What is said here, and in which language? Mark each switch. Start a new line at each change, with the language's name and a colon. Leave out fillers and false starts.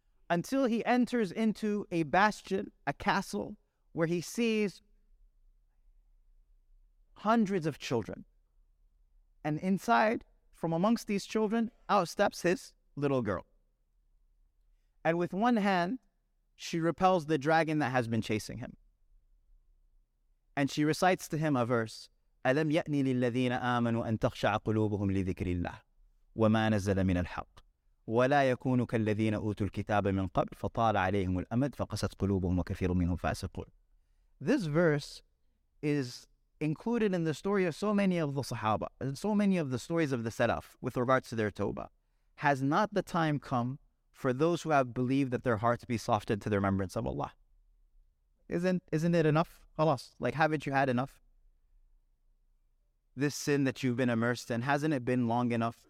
English: Until he enters into a bastion, a castle, where he sees hundreds of children. And inside, from amongst these children, out steps his little girl. And with one hand, she repels the dragon that has been chasing him.
Arabic: And she recites to him a verse, أَلَمْ يَأْنِ لِلَّذِينَ آمَنُوا أَن تَخْشَعَ قُلُوبُهُمْ لِذِكْرِ اللَّهِ وَمَا نَزَّلَ مِنَ الْحَقِّ وَلَا يَكُونُ كَالَّذِينَ أُوتُوا الْكِتَابَ مِنْ قَبْلِ فَطَالَ عَلَيْهِمُ الْأَمَدْ فَقَسَتْ قُلُوبُهُمْ وَكَثِيرٌ مِّنْهُمْ فَاسِقُونَ.
English: This verse is included in the story of so many of the Sahaba and so many of the stories of the Salaf with regards to their Tawbah. Has not the time come for those who have believed that their hearts be softened to the remembrance of Allah? Isn't it enough? Khalas, like, haven't you had enough? This sin that you've been immersed in, hasn't it been long enough?